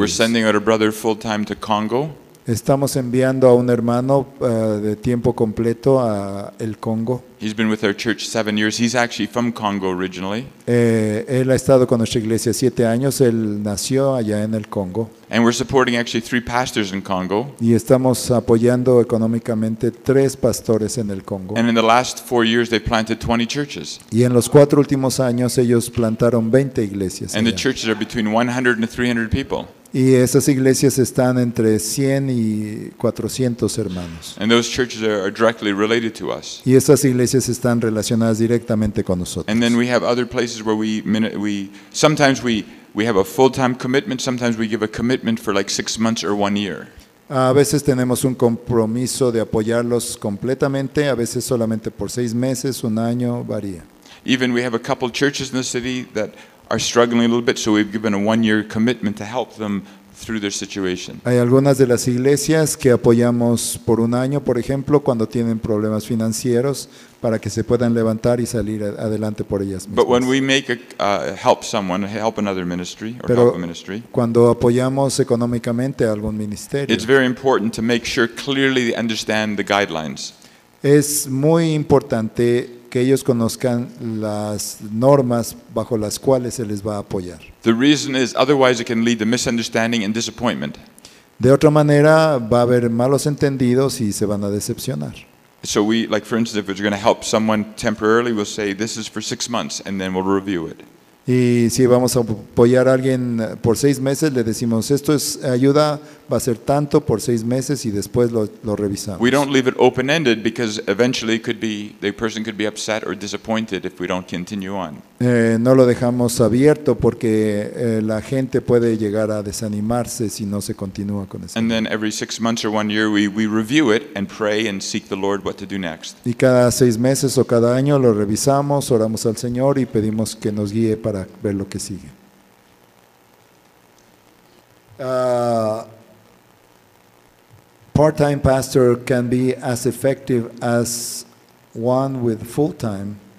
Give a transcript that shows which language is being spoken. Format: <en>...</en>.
<en>We're sending out a brother full-time to Congo.</en> <es>Estamos enviando a un hermano de tiempo completo a el Congo.</es> <en>He's been with our church 7 years. He's actually from Congo originally.</en> <es>Él ha estado con nuestra iglesia 7 años. Él nació allá en el Congo.</es> <en>And we're supporting actually 3 pastors in Congo.</en> <es>Y estamos apoyando económicamente 3 pastores en el Congo.</es> <en>And in the last 4 years, they planted 20 churches.</en> <es>Y en los 4 últimos años, ellos plantaron 20 iglesias.</es> <en>And the churches are between 100 and 300 people.</en> <es>Y esas iglesias están entre 100 y 400 hermanos.</es> <en>And those churches are directly related to us.</en> <es>Y esas iglesias están relacionadas directamente con nosotros.</es> <en>And then we have other places where we sometimes have a full-time commitment, sometimes we give a commitment for like 6 months or 1 year.</en> <es>A veces tenemos un compromiso de apoyarlos completamente, a veces solamente por 6 meses, un año, varía.</es> <en>Even we have a couple churches in the city that are struggling a little bit, so we've given a one-year commitment to help them through their situation.</en> <es>Hay algunas de las iglesias que apoyamos por un año, por ejemplo, cuando tienen problemas financieros, para que se puedan levantar y salir adelante por ellas mismas.</es> <en>But when we make a help someone, help another ministry, or</en> <es>Pero</es> <en>help a ministry,</en> <es>cuando apoyamos económicamente a algún ministerio,</es> <en>it's very important to make sure clearly they understand the guidelines.</en> <es>Es muy importante que ellos conozcan las normas bajo las cuales se les va a apoyar.</es> <en>The reason is otherwise it can lead to misunderstanding and disappointment.</en> <es>De otra manera va a haber malos entendidos y se van a decepcionar.</es> <en>So we, like for instance, if we're going to help someone temporarily, we'll say this is for 6 months and then we'll review it.</en> <es>Y si vamos a apoyar a alguien por 6 meses, le decimos esto es ayuda, va a ser tanto por 6 meses y después lo revisamos.</es> <en>We don't leave it open-ended because eventually it could be the person could be upset or disappointed if we don't continue on.</en> <es>No lo dejamos abierto porque la gente puede llegar a desanimarse si no se continúa con eso.</es> <en>And then every 6 months or 1 year we review it and pray and seek the Lord what to do next.</en> <es>Y cada 6 meses o cada año lo revisamos, oramos al Señor y pedimos que nos guíe para ver lo que sigue.</es> <en>Part-time pastor can be as effective as one with full-time.</en>